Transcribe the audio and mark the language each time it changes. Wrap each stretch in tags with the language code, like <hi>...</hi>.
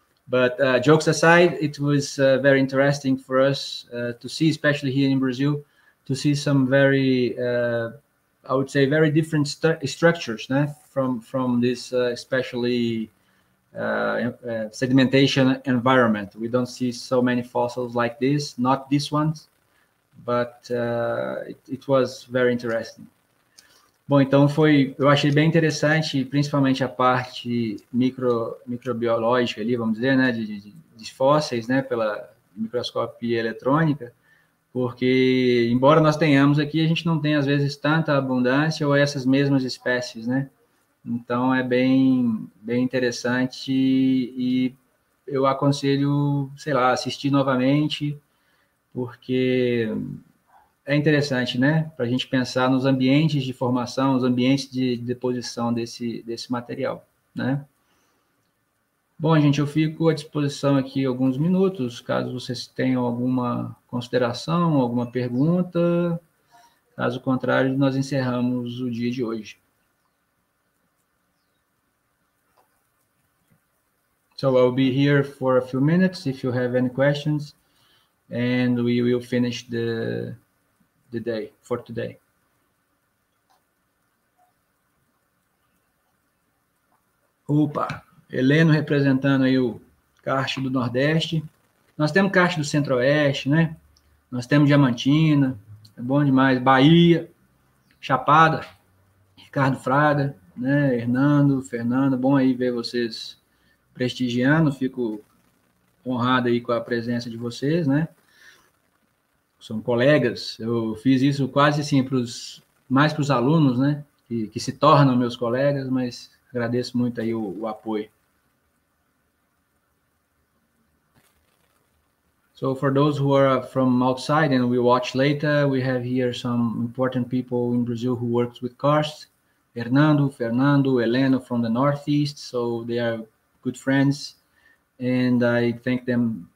<en>But jokes aside, it was very interesting for us to see, especially here in Brazil, to see some very, I would say, very different structures, né? from this especially sedimentation environment. We don't see so many fossils like this, not this ones, but it was very interesting.</en> <pt>Bom, então foi, eu achei bem interessante, principalmente a parte microbiológica ali, vamos dizer, né, de fósseis, né, pela microscópia eletrônica, porque embora nós tenhamos aqui, a gente não tem às vezes tanta abundância ou essas mesmas espécies, né? Então, é bem, bem interessante e eu aconselho, sei lá, assistir novamente, porque é interessante, né? Para a gente pensar nos ambientes de formação, os ambientes de deposição desse material, né? Bom, gente, eu fico à disposição aqui alguns minutos, caso vocês tenham alguma consideração, alguma pergunta. Caso contrário, nós encerramos o dia de hoje.</pt> <en>So I'll be here for a few minutes if you have any questions, and we will finish the day for today.</en> <pt>Opa, Heleno representando aí o karst do Nordeste. Nós temos karst do Centro-Oeste, né? Nós temos Diamantina, é bom demais. Bahia, Chapada, Ricardo Fraga, né? Hernando, Fernando, bom aí ver vocês prestigiando, fico honrado aí com a presença de vocês, né? São colegas, eu fiz isso quase assim, mais para os alunos, né? Que se tornam meus colegas, mas agradeço muito aí o apoio.</pt> <en>So, for those who are from outside and will watch later, we have here some important people in Brazil who works with karst. Hernando, Fernando, Heleno from the Northeast, so they are good friends, and I thank them.</en>